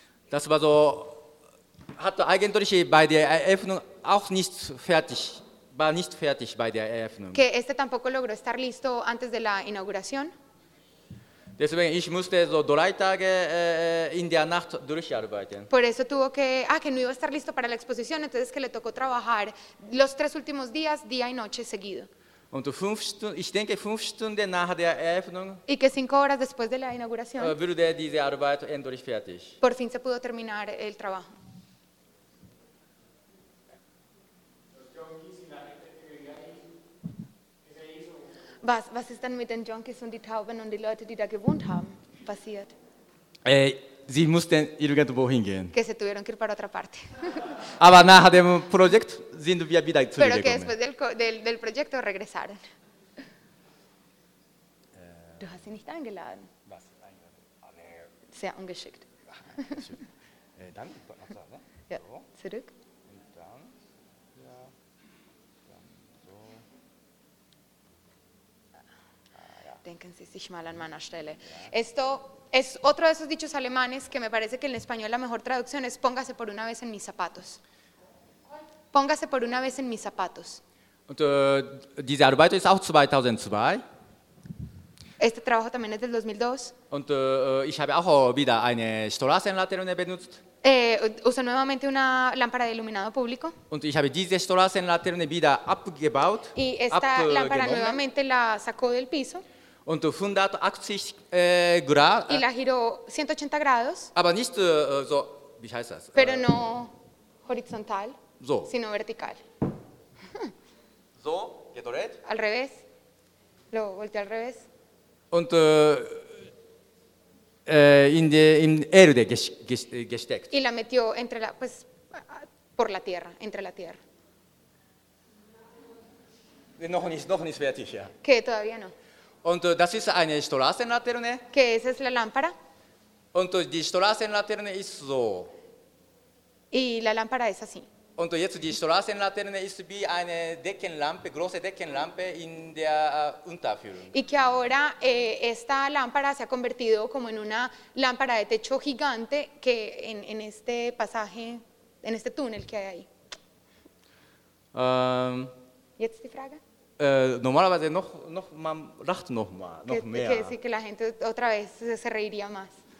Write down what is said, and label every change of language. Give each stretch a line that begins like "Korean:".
German: Das war so, hat eigentlich bei der Eröffnung auch nicht fertig, war nicht fertig bei der Eröffnung.
Spanish: Que este tampoco logró estar listo antes de la inauguración.
German: Deswegen, ich musste so drei Tage in der Nacht durcharbeiten.
Spanish: Por eso tuvo que, que no iba a estar listo para la exposición, entonces que le tocó trabajar los tres últimos días, día y noche seguido.
German: Und fünf Stunden nach der Eröffnung.
Spanish: Y que cinco horas después de la inauguración.
German: Wurde diese Arbeit endlich fertig.
Spanish: Por fin se pudo terminar el trabajo.
German: Was ist denn mit den Junkies und die Tauben und die Leute, die da gewohnt haben, passiert? Sie mussten irgendwo hingehen.
Spanish: Que se tuvieron que ir para otra parte.
German: Aber nach dem Projekt sind wir wieder zurückgekommen.
Spanish: Pero que después del proyecto regresaron.
German: Du hast sie nicht eingeladen. Was? Sehr ungeschickt. dann, ja, zurück. Denken Sie sich mal an meiner Stelle.
Spanish: Esto es otro de esos dichos alemanes que me parece que en español la mejor traducción es póngase por una vez en mis zapatos. Póngase por una vez en mis zapatos.
German: Und diese Arbeit ist auch 2002.
Spanish: Este trabajo también es del 2002.
German: Und ich habe auch wieder eine Straßenlaterne benutzt.
Spanish: Usa nuevamente una lámpara de iluminado público.
German: Und ich habe diese Straßenlaterne wieder abgebaut.
Spanish: Y esta lámpara nuevamente la sacó del piso.
German: Und 180 Grad.
Spanish: Y la giró 180 grados.
German: Aber nicht so, wie heißt das?
Spanish: Pero no horizontal,
German: so.
Spanish: Sino vertical.
German: So, gedreht.
Spanish: Al revés. Lo volteé al revés.
German: Und in Erde gesteckt.
Spanish: Y la metió entre la, pues, por la tierra, entre la tierra.
German: Noch nicht fertig, ja.
Spanish: Que todavía no.
German: Und das ist eine Straßenlaterne.
Spanish: Que esa es la lámpara.
German: Und die Straßenlaterne ist so.
Spanish: Y la lámpara es así.
German: Und jetzt die Straßenlaterne ist wie eine Deckenlampe, große Deckenlampe in der Unterführung.
Spanish: Y que ahora esta lámpara se ha convertido como en una lámpara de techo gigante que en este pasaje, en este túnel que hay ahí.
German: Jetzt die Frage. Normalerweise noch man lacht noch mal noch
Spanish: que,
German: mehr.
Spanish: Que sí, que la gente otra vez se reiría más.